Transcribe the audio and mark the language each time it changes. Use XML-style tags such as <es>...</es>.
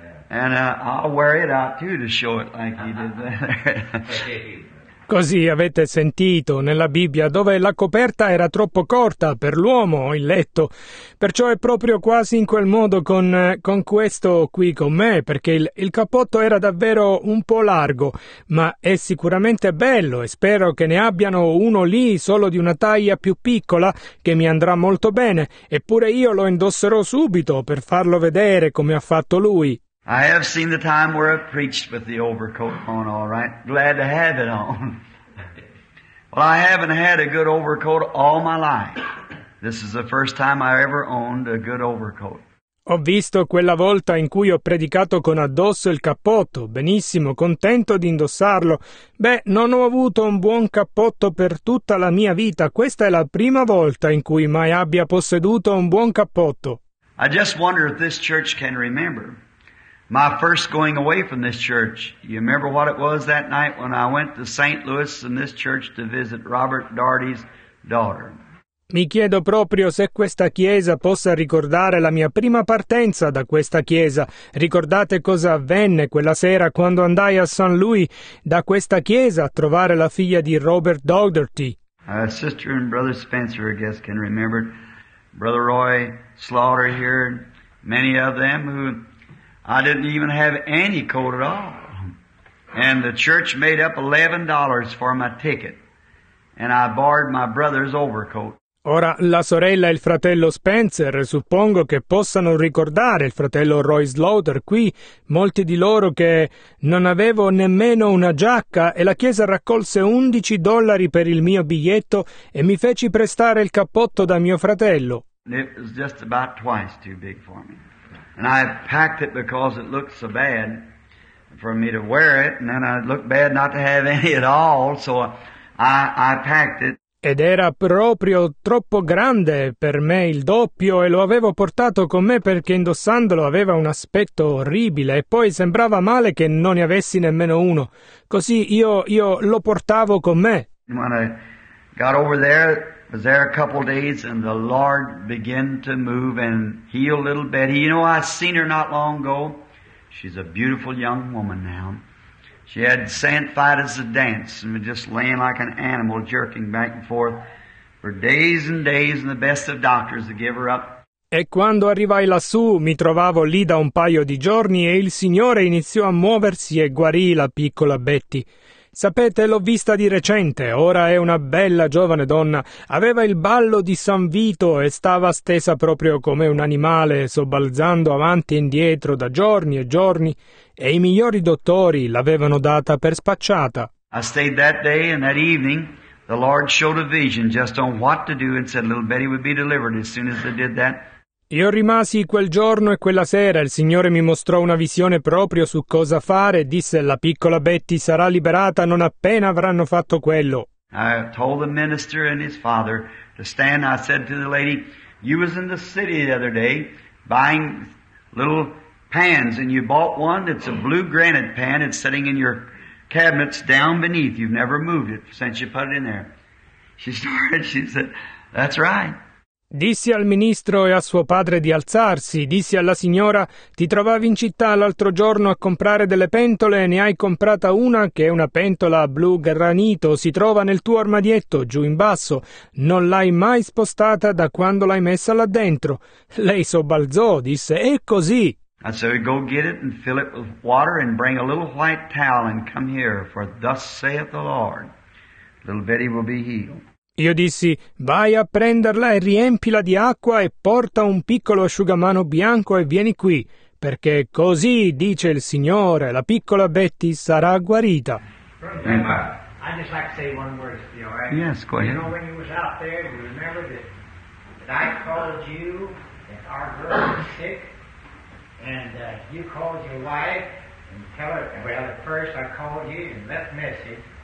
<en>And I'll wear it out too to show it like you did there.</en> <it>Così avete sentito nella Bibbia, dove la coperta era troppo corta per l'uomo o il letto. Perciò è proprio quasi in quel modo con questo qui con me, perché il cappotto era davvero un po' largo, ma è sicuramente bello e spero che ne abbiano uno lì solo di una taglia più piccola che mi andrà molto bene. Eppure io lo indosserò subito per farlo vedere come ha fatto lui.</it> <en>I have seen the time where I preached with the overcoat on, all right. Glad to have it on. Well, I haven't had a good overcoat all my life. This is the first time I ever owned a good overcoat.</en> <it>Ho visto quella volta in cui ho predicato con addosso il cappotto. Benissimo, contento di indossarlo. Beh, non ho avuto un buon cappotto per tutta la mia vita. Questa è la prima volta in cui mai abbia posseduto un buon cappotto.</it> <en>I just wonder if this church can remember my first going away from this church. You remember what it was that night when I went to St. Louis in this church to visit Robert Daugherty's daughter?</en> <it>Mi chiedo proprio se questa chiesa possa ricordare la mia prima partenza da questa chiesa. Ricordate cosa avvenne quella sera quando andai a St. Louis da questa chiesa a trovare la figlia di Robert Daugherty?</it> <en>Sister and Brother Spencer, I guess, can remember. Brother Roy Slaughter here, many of them who... I didn't even have any coat at all. And the church made up $11 for my ticket. And I borrowed my brother's overcoat.</en> <it>Ora, la sorella e il fratello Spencer, suppongo che possano ricordare il fratello Roy Slaughter qui, molti di loro che non avevo nemmeno una giacca, e la chiesa raccolse $11 per il mio biglietto e mi feci prestare il cappotto da mio fratello.</it> <en>It was just about twice too big for me. And I packed it because it looked so bad for me to wear it, and then I looked bad not to have any at all, so I packed it.</en> <it>Ed era proprio troppo grande per me il doppio, e lo avevo portato con me perché indossandolo aveva un aspetto orribile, e poi sembrava male che non ne avessi nemmeno uno. Così io lo portavo con me.</it> <en>When I got over there, I was there a couple days, and the Lord began to move and heal little Betty. You know, I seen her not long ago. She's a beautiful young woman now. She had sand fight as a dance and was just laying like an animal, jerking back and forth for days and days, and the best of doctors to give her up.</en> <it>E quando arrivai lassù, mi trovavo lì da un paio di giorni, e il Signore iniziò a muoversi e guarì la piccola Betty. Sapete, l'ho vista di recente, ora è una bella giovane donna. Aveva il ballo di San Vito e stava stesa proprio come un animale, sobbalzando avanti e indietro da giorni e giorni, e i migliori dottori l'avevano data per spacciata.</it> <en>I stayed that day, and that evening the Lord showed a vision just on what to do, and said little Betty would be delivered as soon as they did that.</en> <it>Io rimasi quel giorno e quella sera, il Signore mi mostrò una visione proprio su cosa fare, e disse: la piccola Betty sarà liberata non appena avranno fatto quello.</it> <en>I told the minister and his father to stand. I said to the lady, you was in the city the other day buying little pans, and you bought one. It's a blue granite pan. It's sitting in your cabinets down beneath. You've never moved it since you put it in there. She started, she said, that's right.</en> <it>Dissi al ministro e a suo padre di alzarsi. Dissi alla signora, ti trovavi in città l'altro giorno a comprare delle pentole e ne hai comprata una che è una pentola a blu granito. Si trova nel tuo armadietto, giù in basso. Non l'hai mai spostata da quando l'hai messa là dentro. Lei sobbalzò, disse, è così.</it> <en>I said, go get it and fill it with water and bring a little white towel and come here, for thus saith the Lord. Little Betty will be healed.</en> <it>Io dissi, vai a prenderla e riempila di acqua e porta un piccolo asciugamano bianco e vieni qui, perché così, dice il Signore, la piccola Betty sarà guarita.</it> <en>Brother, I'd just like to say one word to you, all right? Yes, go ahead. You know, when you was out there, you remember that I called you, that our girl was sick, and you called your wife and tell her, well, at first I called you and left message.</en>